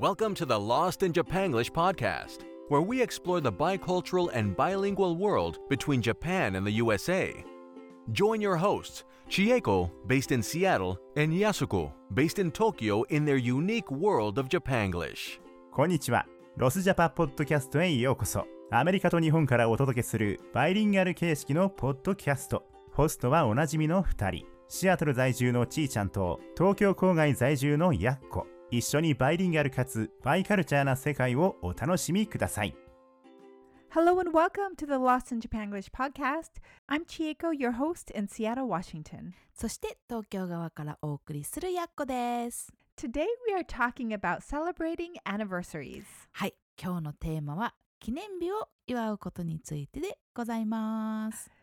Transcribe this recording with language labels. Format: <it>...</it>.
<en>Welcome to the Lost in Japanglish podcast, where we explore the bicultural and bilingual world between Japan and the USA. Join your hosts, Chieko, based in Seattle, and Yasuko, based in Tokyo, in their unique world of Japanglish.</en> <ja>こんにちは。ロスジャパポッドキャストへようこそ。アメリカと日本からお届けするバイリンガル形式のポッドキャスト。ホストはおなじみの2人。シアトル在住のちーちゃんと東京郊外在住のやっこ。一緒にバイリンガルかつバイカルチャーな世界をお楽しみください。</ja> <en>Hello and welcome to the Lost in Japan English podcast. I'm Chieko, your host in Seattle, Washington.</en> <ja>そして東京側からお送りするやっこです。</ja> <en>Today we are talking about celebrating anniversaries.</en> <ja>はい、今日のテーマは記念日を祝うことについてでございます。</ja>